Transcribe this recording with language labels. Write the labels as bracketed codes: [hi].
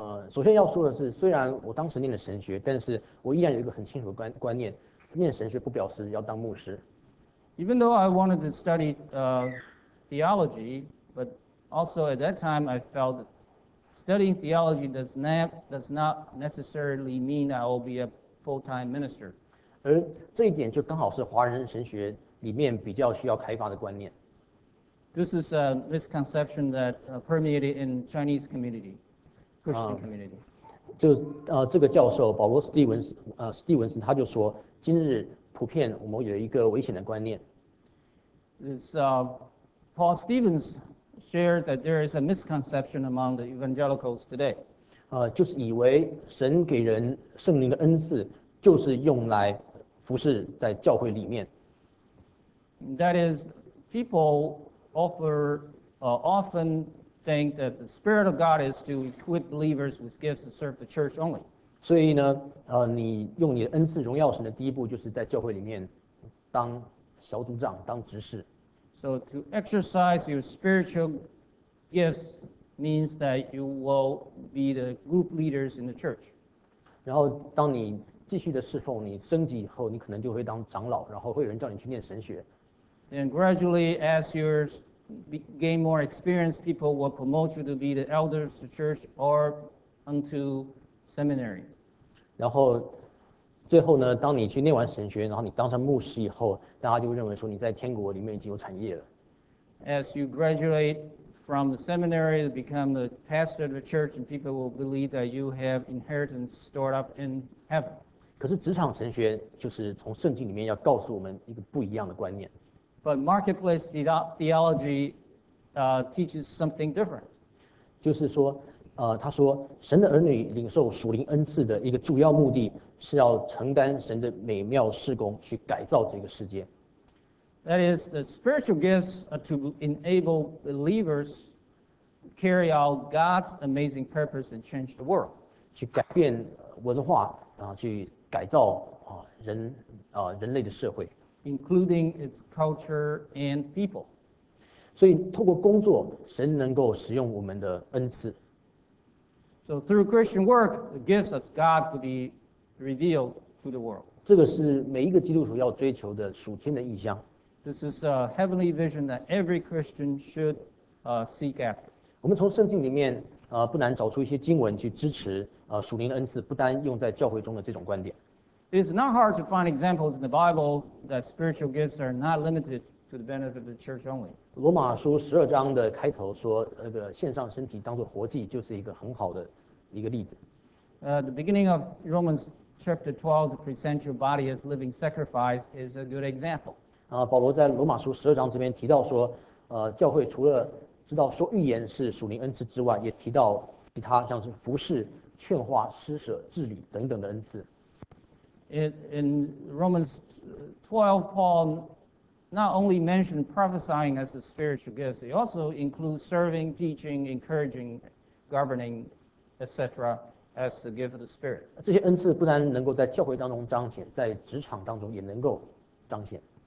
[zh] 首先要说的是，虽然我当时念了神学，但是我依然有一个很清楚的观念，念神学不表示要当牧师。 [en] Even though I wanted to study theology, but also at that time I felt that studying theology does not necessarily mean I will be a full-time minister. [zh] 而这一点就刚好是华人神学里面比较需要开发的观念。 [en] This is a misconception that permeated in Chinese community, Christian community. [zh] 这个教授保罗·斯蒂文斯他就说，今日普遍我们有一个危险的观念。 [en] It's Paul Stevens shared that there is a misconception among the evangelicals today. [zh] 就是以为神给人圣灵的恩赐就是用来服侍在教会里面。 [en] That is, people often think that the Spirit of God is to equip believers with gifts to serve the church only. [zh] 所以呢，你用你的恩赐荣耀神的第一步就是在教会里面当小组长，当执事。 [en] So to exercise your spiritual gifts means that you will be the group leaders in the church. [zh] 然后当你继续的侍奉，你升级以后，你可能就会当长老，然后会有人叫你去念神学。 [en] And gradually, as you gain more experience, people will promote you to be the elders of the church or unto seminary. [zh] 然后最后呢，当你去念完神学，然后你当上牧师以后，大家就认为说你在天国里面已经有产业了。 [en] As you graduate from the seminary to become the pastor of the church, and people will believe that you have inheritance stored up in heaven. [zh] 可是职场神学就是从圣经里面要告诉我们一个不一样的观念。 [en] But marketplace theology teaches something different. [zh] 就是说，他说神的儿女领受属灵恩赐的一个主要目的是要承担神的美妙事工，去改造这个世界。 [en] That is, the spiritual gifts are to enable believers carry out God's amazing purpose and change the world. [zh] 去改变文化，然后去改造人类的社会， [en] including its culture and people. [zh] 所以透过工作，神能够使用我们的恩赐。 [en] So through Christian work, the gifts of God could be revealed to the world. [zh] 这个是每一个基督徒要追求的属天的意象。 [en] This is a heavenly vision that every Christian should seek after. [zh] 我们从圣经里面不难找出一些经文去支持属灵的恩赐不单用在教会中的这种观点。 [en] It's not hard to find examples in the Bible that spiritual gifts are not limited to the benefit of the church only. [zh] 罗马书十二章的开头说，那个献上身体当作活祭就是一个很好的一个例子。 [en] The beginning of Romans chapter 12, to present your body as living sacrifice is a good example. [zh] 保罗在罗马书十二章这边提到说，教会除了知道说预言是属灵恩赐之外，也提到其他像是服事、劝化、施舍、治理等等的恩赐。 [en] in Romans 12, Paul not only mentioned prophesying as a spiritual gift, he also includes serving, teaching, encouraging, governing, etc. as the gift of the Spirit. [zh] 这些恩赐不但能够在教会当中彰显，在职场当中也能够彰显。